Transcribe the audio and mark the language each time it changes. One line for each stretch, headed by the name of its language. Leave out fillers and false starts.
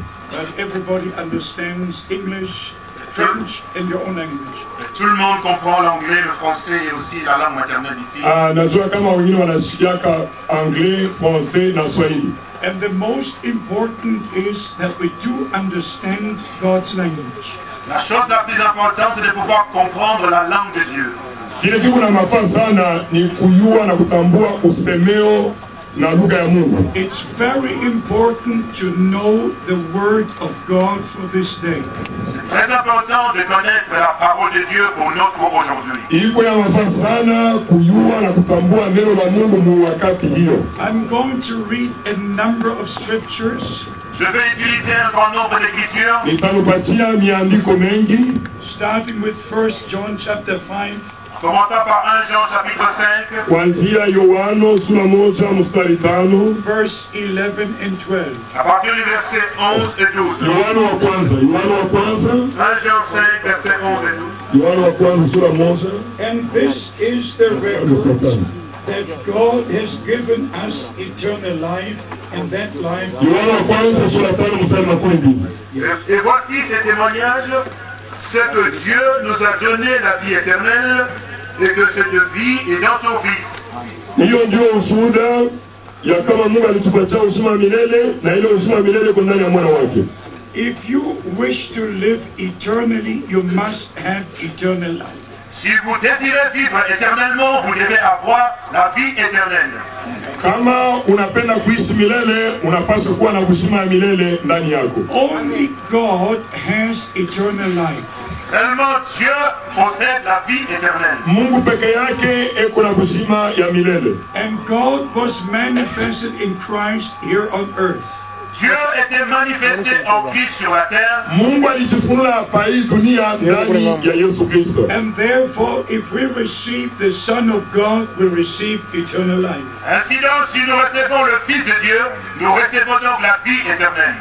English: But everybody understands English, French, and your own language.
French: Tout le monde comprend l'anglais, le français et aussi la langue maternelle ici.
Swahili: Ah, najua kama wengine wanasikia anglais, français na Swahili.
English: And the most important is that we do understand God's language.
French: La chose la plus importante c'est de pouvoir comprendre la langue de Dieu.
Swahili: Kile kiko na mafaa sana ni kujua na kutambua usemeo na lugha ya Mungu.
English: It's very important to know the word of God for this day.
French: C'est très important de connaître la parole de Dieu pour notre aujourd'hui.
Swahili: Iko ya mafaa sana kujua na kutambua neno la Mungu kwa wakati hiyo.
English: I'm going to read a number of scriptures.
French: Je vais utiliser un grand nombre d'écritures.
Swahili: Nitakupatia miandiko mengi.
English: Starting with 1 John chapter 5.
French: Commençons par 1 Jean chapitre 5.
Swahili: Kuanzia Yohana sura moja mstari 5.
English: Verse 11 and 12.
French: À partir du verset 11 et 12.
Swahili: Yohana wa kwanza, Yohana wa kwanza.
French: 1 Jean 5 verset 11 et 12.
Swahili: Yohana wa kwanza sura moja.
English: And this is the record that God has given us eternal life, and that life.
Swahili: Yohana wa kwanza sura 5 mstari 12.
French: Et voici ce témoignage. C'est que Dieu nous a donné la vie éternelle et que cette vie est dans son Fils.
Swahili: Iyo ndio ushuhuda ya kama Mungu alitupatia uzima milele na ile uzima milele iko ndani ya mwana wake.
English: If you wish to live eternally, you must have eternal life.
French: Si vous désirez vivre éternellement, vous devez avoir la vie éternelle.
Swahili: Kama unapenda kuishi milele, unapaswa kuwa na uzima milele ndani yako.
English: Only God has eternal life.
French: Seulement Dieu possède la vie éternelle.
Swahili: Mungu peke yake eko na uzima ya milele.
English: And God was manifested in Christ here on earth.
French: Dieu était manifesté en Christ sur la terre.
Swahili: Mungu alijifunua hapa hii dunia ndani ya Yesu Kristo.
English: And therefore, if we receive the Son of God, we receive eternal life.
French: Ainsi donc, si nous recevons le Fils de Dieu, nous recevons donc la vie éternelle.